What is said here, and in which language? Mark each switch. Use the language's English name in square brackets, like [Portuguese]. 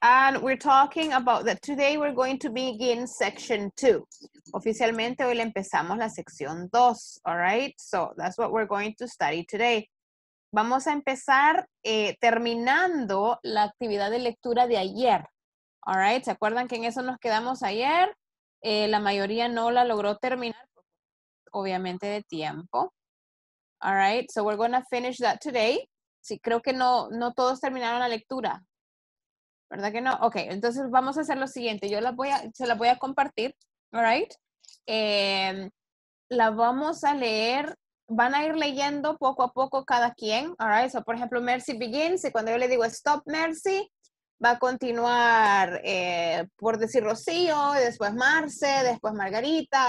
[English] And we're talking about that today we're going to begin section 2. [Spanish] Oficialmente, hoy empezamos la sección 2. [English] All right. So, that's what we're going to study today. [Spanish] Vamos a empezar terminando la actividad de lectura de ayer. [English] All right. [Spanish] ¿Se acuerdan que en eso nos quedamos ayer? La mayoría no la logró terminar. Obviamente de tiempo. [English] All right, so we're going to finish that today. [Spanish] Sí, creo que no todos terminaron la lectura. ¿Verdad que no? Ok, entonces vamos a hacer lo siguiente. Yo se la voy a compartir. [English] All right. [Spanish] La vamos a leer. Van a ir leyendo poco a poco cada quien. [English] All right, so [Spanish] por ejemplo, [English] Mercy begins. [Spanish] Y cuando yo le digo stop, Mercy, va a continuar, por decir, Rocío, y después Marce, después Margarita.